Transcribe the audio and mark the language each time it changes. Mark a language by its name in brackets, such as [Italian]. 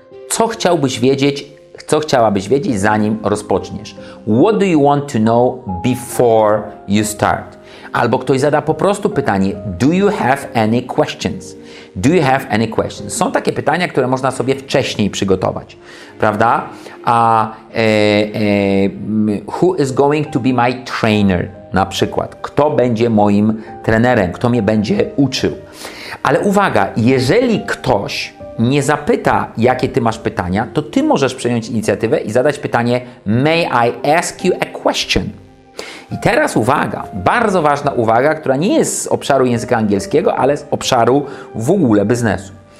[Polish] Co chciałbyś wiedzieć, co chciałabyś wiedzieć, zanim rozpoczniesz? [English] What do you want to know before you start? [Polish] Albo ktoś zada po prostu pytanie, [English] do you have any questions? Do you have any questions? [Polish] Są takie pytania, które można sobie wcześniej przygotować, prawda? [English] Who is going to be my trainer? [Polish] Na przykład, kto będzie moim trenerem, kto mnie będzie uczył. Ale uwaga, jeżeli ktoś nie zapyta, jakie ty masz pytania, to ty możesz przejąć inicjatywę i zadać pytanie, [English] may I ask you a question? [Polish] I teraz uwaga, bardzo ważna uwaga, która nie jest z obszaru języka angielskiego, ale z obszaru w ogóle biznesu.